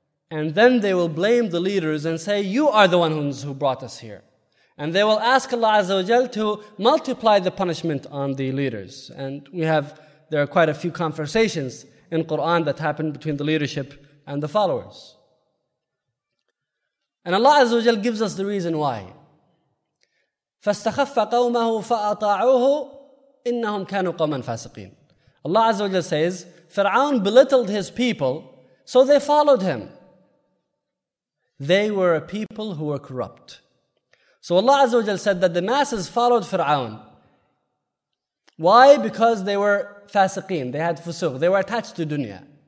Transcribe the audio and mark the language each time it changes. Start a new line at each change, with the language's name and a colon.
English: And then they will blame the leaders and say, you are the ones who brought us here. And they will ask Allah Azza wa Jal to multiply the punishment on the leaders. And there are quite a few conversations in Quran that happened between the leadership and the followers. And Allah Azza wa Jal gives us the reason why.
Arabic: فَاسْتَخَفَّ قَوْمَهُ فَأَطَاعُوهُ إِنَّهُمْ كَانُوا قَوْمًا فَاسِقِينَ.
English: Allah Azza wa Jal says, Fir'aun belittled his people, so they followed him. They were a people who were corrupt. So Allah Azza wa Jalla said that the masses followed Fir'aun. Why? Because they were fasiqeen, they had fusuq, they were attached to dunya.